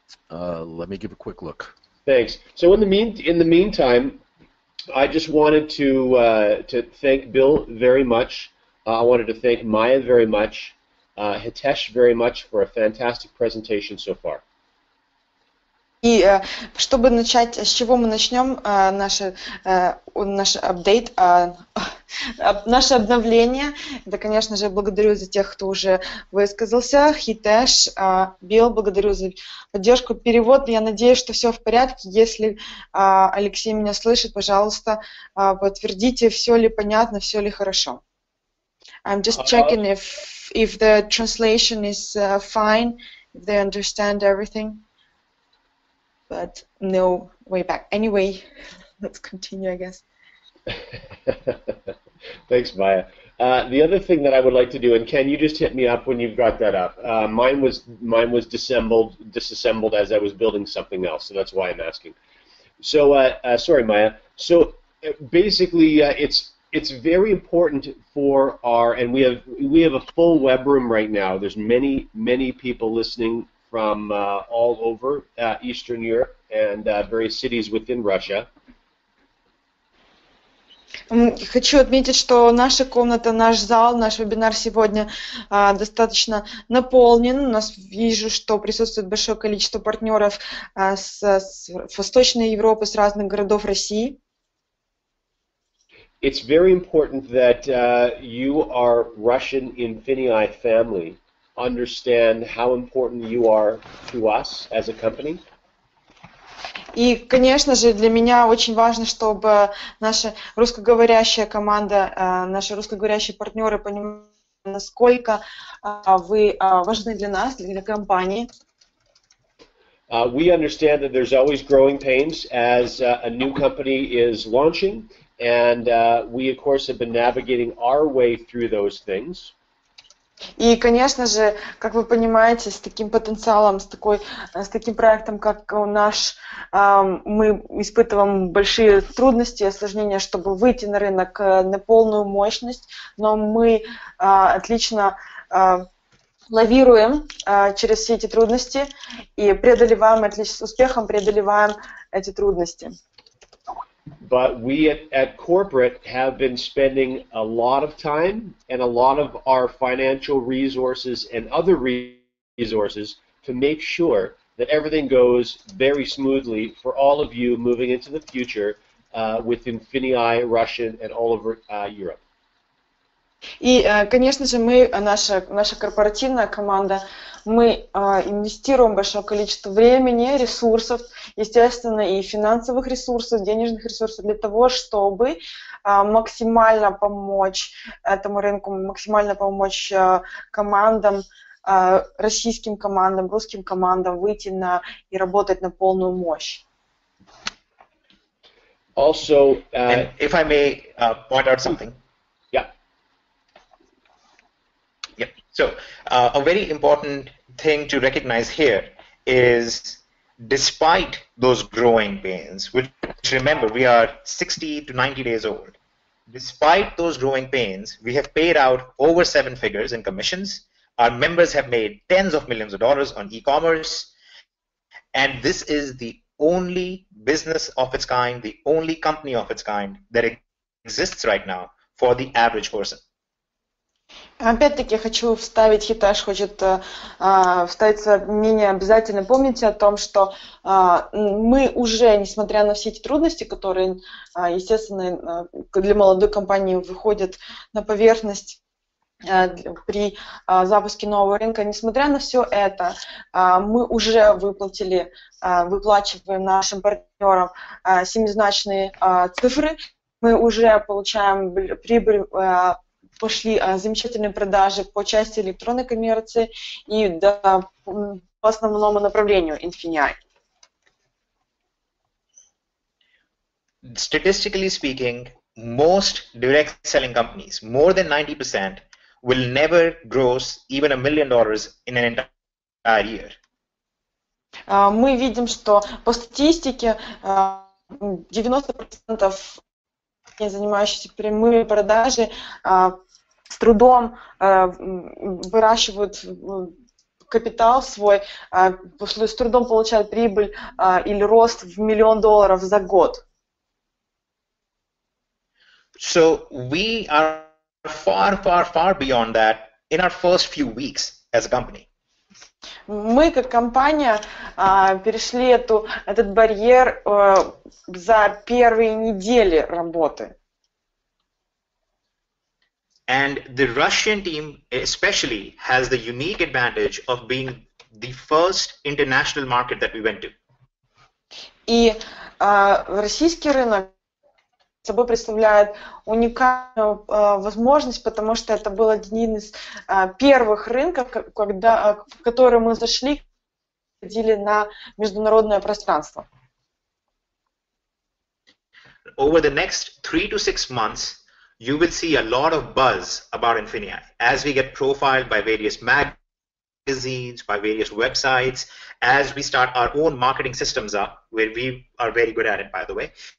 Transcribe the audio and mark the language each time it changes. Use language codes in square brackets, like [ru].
[en] Let me give a quick look. Thanks. So in the meantime, I just wanted to thank Bill very much. I wanted to thank Maya very much, Hitesh very much for a fantastic presentation so far. [ru] И чтобы начать, с чего мы начнем наш апдейт, наше обновление, да, конечно же, благодарю за тех, кто уже высказался, Хитеш, Билл, благодарю за поддержку, перевод, я надеюсь, что все в порядке, если Алексей меня слышит, пожалуйста, подтвердите, все ли понятно, все ли хорошо. [en] I'm just checking if the translation is fine, if they understand everything. But no way back. Anyway, let's continue, I guess. Thanks, Maya. The other thing that I would like to do, and Ken, you just hit me up when you've got that up. Mine was disassembled as I was building something else, so that's why I'm asking. So, sorry, Maya. So, basically, it's very important for our, and we have a full web room right now. There's many, many people listening from all over Eastern Europe and various cities within Russia. [ru] Хочу отметить, что наша комната, наш зал, наш вебинар сегодня достаточно наполнен. У нас вижу, что присутствует большое количество партнеров с Восточной Европы, с разных городов России. [en] It's very important that you are Russian Infinii family. Understand how important you are to us as a company. [ru] И, конечно же, для меня очень важно, чтобы наша русскоговорящая команда, наши русскоговорящие партнеры понимали, насколько вы важны для нас, для компании. [en] We understand that there's always growing pains as a new company is launching, and we, of course, have been navigating our way through those things. [ru] И, конечно же, как вы понимаете, с таким потенциалом, с таким проектом, как у наш, мы испытываем большие трудности и осложнения, чтобы выйти на рынок на полную мощность, но мы отлично лавируем через все эти трудности и преодолеваем, с успехом преодолеваем эти трудности. [en] But we at corporate have been spending a lot of time and a lot of our financial resources and other resources to make sure that everything goes very smoothly for all of you moving into the future with Infinii, Russian, and all over Europe. [ru] И, конечно же, мы, наша корпоративная команда, мы инвестируем большое количество времени, ресурсов, естественно, и финансовых ресурсов, денежных ресурсов для того, чтобы максимально помочь этому рынку, максимально помочь командам, российским командам, русским командам выйти на и работать на полную мощь. [en] Also, and if I may point out something. So, a very important thing to recognize here is despite those growing pains, which remember, we are 60 to 90 days old. Despite those growing pains, we have paid out over seven figures in commissions. Our members have made tens of millions of dollars on e-commerce. And this is the only business of its kind, the only company of its kind that exists right now for the average person. [ru] Опять-таки хочу вставить, Хитаж хочет вставить мнение, обязательно помните о том, что мы уже, несмотря на все эти трудности, которые, естественно, для молодой компании выходят на поверхность при запуске нового рынка, несмотря на все это, мы уже выплачиваем нашим партнерам семизначные цифры, мы уже получаем прибыль, пошли замечательные продажи по части электронной коммерции и по основному направлению Infinii. [en] Statistically speaking, most direct selling companies, more than 90%, will never gross even $1 million in an entire year. [ru] Мы видим, что по статистике 90% не занимающихся прямыми продажи с трудом выращивают капитал свой, с трудом получают прибыль или рост в $1 million за год. [en] So we are far, far, far beyond that in our first few weeks as a company. [ru] Мы как компания перешли этот барьер за первые недели работы. [en] And the Russian team especially has the unique advantage of being the first international market that we went to. [ru] И российский рынок собой представляет уникальную возможность, потому что это был один из первых рынков, в который мы зашли, ходили на международное пространство. [en] Over the next 3 to 6 months, you will see a lot of buzz about Infinii as we get profiled by various magazines, by various websites, as we start our own marketing systems up, where we are very good at it, by the way.